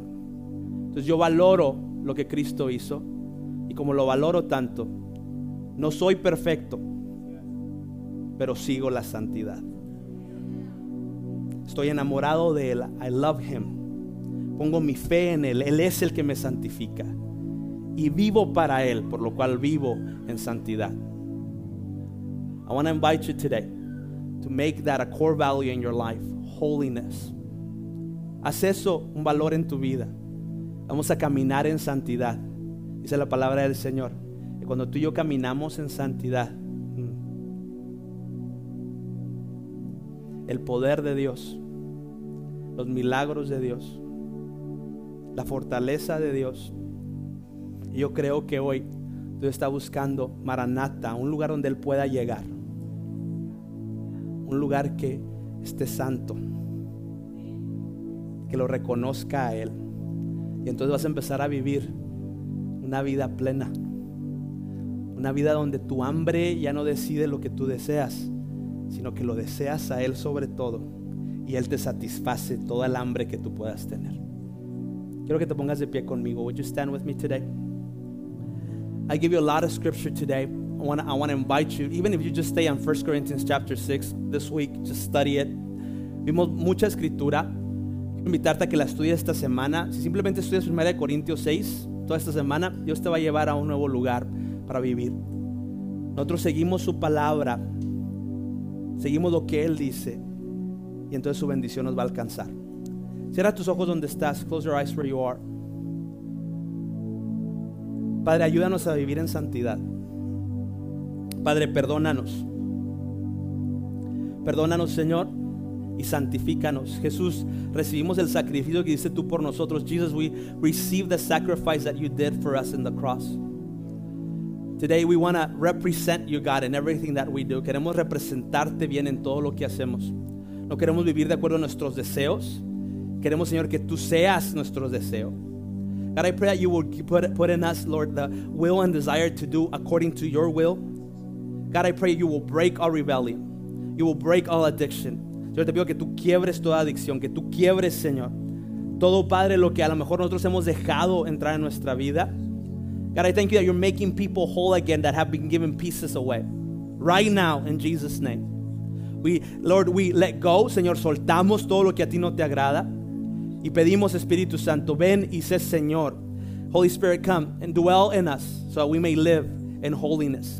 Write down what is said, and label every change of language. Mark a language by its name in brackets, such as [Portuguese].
[Spanish] Entonces yo valoro lo que Cristo hizo, y como lo valoro tanto, no soy perfecto, pero sigo la santidad. Estoy enamorado de él. [English] I love him. [Spanish] Pongo mi fe en él. Él es el que me santifica. Y vivo para él, por lo cual vivo en santidad. [English] I want to invite you today to make that a core value in your life. Holiness. [Spanish] Haz eso un valor en tu vida. Vamos a caminar en santidad. Dice la palabra del Señor. Y cuando tú y yo caminamos en santidad, el poder de Dios, los milagros de Dios, la fortaleza de Dios. Y yo creo que hoy Dios está buscando Maranata, un lugar donde Él pueda llegar, un lugar que esté santo, que lo reconozca a Él. Y entonces vas a empezar a vivir una vida plena, una vida donde tu hambre ya no decide lo que tú deseas, sino que lo deseas a Él sobre todo, y Él te satisface toda el hambre que tú puedas tener. Quiero que te pongas de pie conmigo. [English] Would you stand with me today? I give you a lot of scripture today. I want to invite you, even if you just stay on 1 Corinthians chapter 6 this week, just study it. [Spanish] Vimos mucha escritura. Quiero invitarte a que la estudies esta semana. Si simplemente estudias 1 Corintios 6 toda esta semana, Dios te va a llevar a un nuevo lugar para vivir. Nosotros seguimos su palabra, seguimos lo que Él dice, y entonces su bendición nos va a alcanzar. Cierra tus ojos donde estás. [English] Close your eyes where you are. [Spanish] Padre, ayúdanos a vivir en santidad. Padre, perdónanos. Perdónanos, Señor, y santifícanos. Jesús, recibimos el sacrificio que hiciste tú por nosotros. [English] Jesus, we receive the sacrifice that you did for us in the cross. Today we want to represent you, God, in everything that we do. [Spanish] Queremos representarte bien en todo lo que hacemos. No queremos vivir de acuerdo a nuestros deseos. Queremos, Señor, que tú seas nuestro deseo. [English] God, I pray that you will put in us, Lord, the will and desire to do according to your will. God, I pray you will break all rebellion. You will break all addiction. [Spanish] Yo te pido que tú quiebres toda adicción, que tú quiebres, Señor, todo, Padre, lo que a lo mejor nosotros hemos dejado entrar en nuestra vida. [English] God, I thank you that you're making people whole again that have been given pieces away. Right now, in Jesus' name. Lord, we let go, [Spanish] Señor, soltamos todo lo que a ti no te agrada. Y pedimos, Espíritu Santo, ven y sé Señor. [English] Holy Spirit, come and dwell in us so that we may live in holiness.